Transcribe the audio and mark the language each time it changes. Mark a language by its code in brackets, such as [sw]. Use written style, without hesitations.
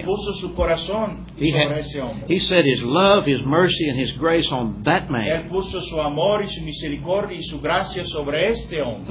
[es] Y puso su corazón sobre ese hombre. [en] He set his love, his mercy, and his grace on that man. [es] Él puso su amor y su misericordia y su gracia sobre este hombre.